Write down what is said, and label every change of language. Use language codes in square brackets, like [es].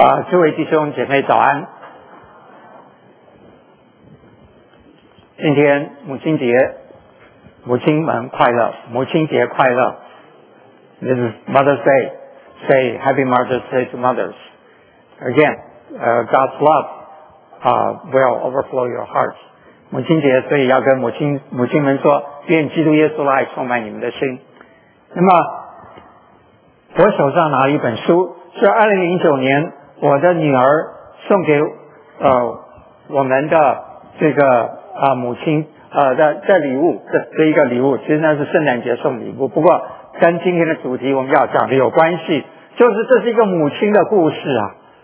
[zh] 诸位弟兄姐妹早安，今天母亲节，母亲们快乐，母亲节快乐。 [en] This is Mother's Day. Say Happy Mother's Day to mothers. Again, God's love, will overflow your hearts. [zh] 母亲节，所以要跟母亲们说，愿基督耶稣的爱充满你们的心。那么我手上拿一本书，是2009年我的女儿送给我们的这个母亲的礼物，这一个礼物，其实那是圣诞节送礼物，不过跟今天的主题我们要讲的有关系，就是这是一个母亲的故事啊。